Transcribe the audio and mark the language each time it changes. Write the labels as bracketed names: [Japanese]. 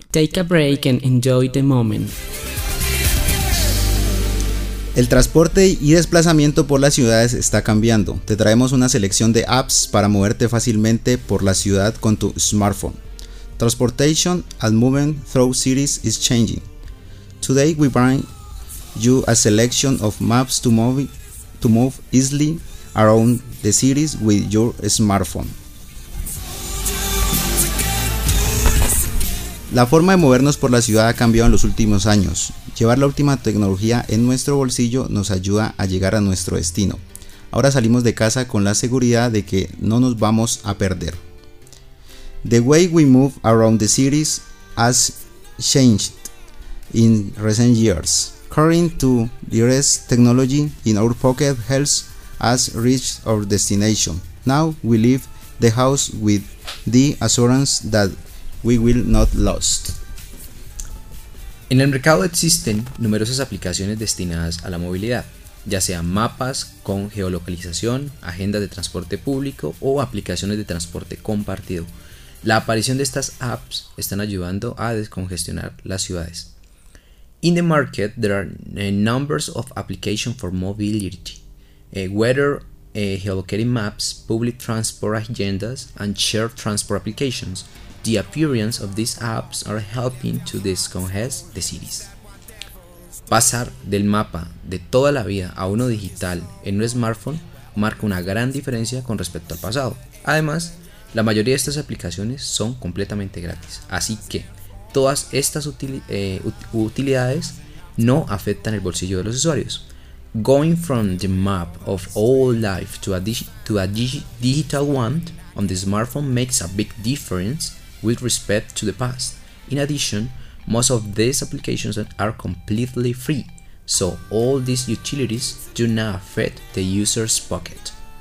[English] Take a break and enjoy the moment. [Spanish] El transporte y desplazamiento por las ciudades está cambiando. Te traemos una selección de apps para moverte fácilmente por la ciudad con tu smartphone. [English] Transportation and movement through cities is changing. Today we bring you a selection of maps to move easily around the cities with your smartphone. [Spanish] La forma de movernos por la ciudad ha cambiado en los últimos años. Llevar la última tecnología en nuestro bolsillo nos ayuda a llegar a nuestro destino. Ahora salimos de casa con la seguridad de que no nos vamos a perder. [English] The way we move around the cities has changed in recent years. According to the latest technology in our pocket helps us reach our destination. Now we leave the house with the assurance that we will not lost. [Spanish] En el mercado existen numerosas aplicaciones destinadas a la movilidad, ya sea mapas con geolocalización, agendas de transporte público o aplicaciones de transporte compartido. La aparición de estas apps están ayudando a descongestionar las ciudades. [English] In the market, there are numbers of applications for mobility, whether geolocating maps, public transport agendas, and shared transport applications. The appearance of these apps are helping to descongest the cities. [Spanish] Pasar del mapa de toda la vida a uno digital en un smartphone marca una gran diferencia con respecto al pasado. Además, la mayoría de estas aplicaciones son completamente gratis, así que todas estas utilidades no afectan el bolsillo de los usuarios. [English] Going from the map of old life to a digital one on the smartphone makes a big difference with respect to the past. In addition, most of these applications are completely free, so all these utilities do not affect the user's pocket.